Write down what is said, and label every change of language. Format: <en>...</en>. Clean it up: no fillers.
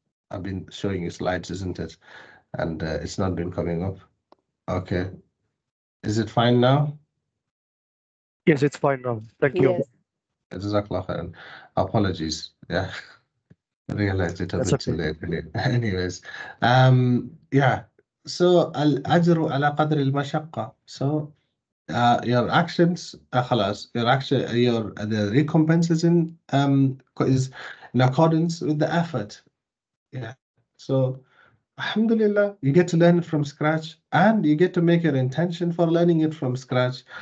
<en>I've been showing you slides, isn't it? And it's not been coming up. Okay. Is it fine now? Yes, it's fine now. Thank you. Jazakallah khairan. Apologies. Yeah. I realized it a bit too late. Anyways. Yeah.</en> <ar>So الأجر على قدر المشقة.</ar> <en>So your actions, خلاص, your action, your the recompenses in is in accordance with the effort. Yeah. So Alhamdulillah, you get to learn it from scratch, and you get to make your intention for learning it from scratch.</en>